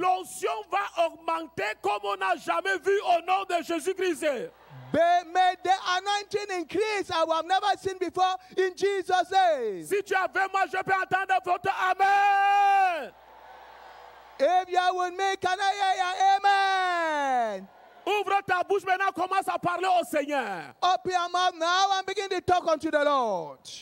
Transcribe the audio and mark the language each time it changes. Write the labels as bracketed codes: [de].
[fr] l'onction va augmenter comme on n'a jamais vu au nom de Jésus-Christ. [en] May the anointing increase as we have never seen before in Jesus' name. [fr] Si tu avais moi, je peux entendre votre amen. [en] If you are with me, can I hear your amen? [fr] Ouvre ta bouche maintenant, commence à parler au Seigneur. [en] Open your mouth now and begin to talk unto the Lord.